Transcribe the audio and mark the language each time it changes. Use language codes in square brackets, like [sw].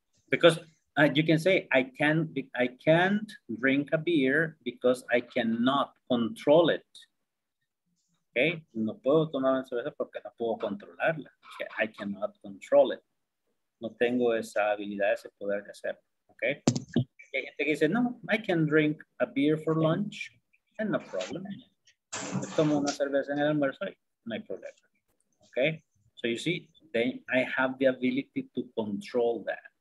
[en] Because you can say, I can't drink a beer because I cannot control it. Okay? [es] No puedo tomar una cerveza porque no puedo controlarla. Okay? [en] I cannot control it. [es] No tengo esa habilidad, ese poder de hacer. Okay? Y hay gente que dice, no, [en] I can drink a beer for lunch and no problem. [es] Me tomo una cerveza en el almuerzo y no hay problema. [en] Okay? So you see, then I have the ability to control that.